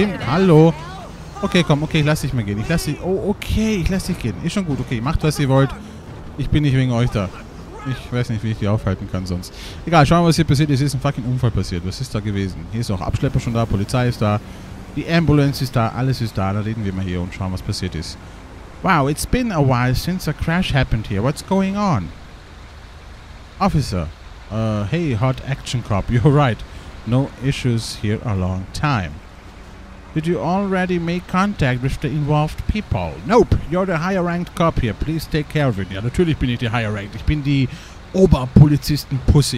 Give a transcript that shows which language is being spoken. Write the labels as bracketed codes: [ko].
[de] Hallo. Okay, ich lass dich gehen. Ich lass dich gehen. Ist schon gut. Okay, macht, was ihr wollt. Ich bin nicht wegen euch da. Ich weiß nicht, wie ich die aufhalten kann sonst. Egal, schauen wir mal, was hier passiert ist. Es ist ein fucking Unfall passiert. Was ist da gewesen? Hier ist auch Abschlepper schon da, Polizei ist da, die Ambulance ist da, alles ist da. Da reden wir mal hier und schauen, was passiert ist. [en] Wow, it's been a while since a crash happened here. What's going on? Officer, hey, hot action cop, you're right. No issues here a long time. Did you already make contact with the involved people? Nope, you're the higher ranked cop here. Please take care of it. [de] Ja, natürlich bin ich die [en] higher ranked. [de] Ich bin die Oberpolizisten-Pussy.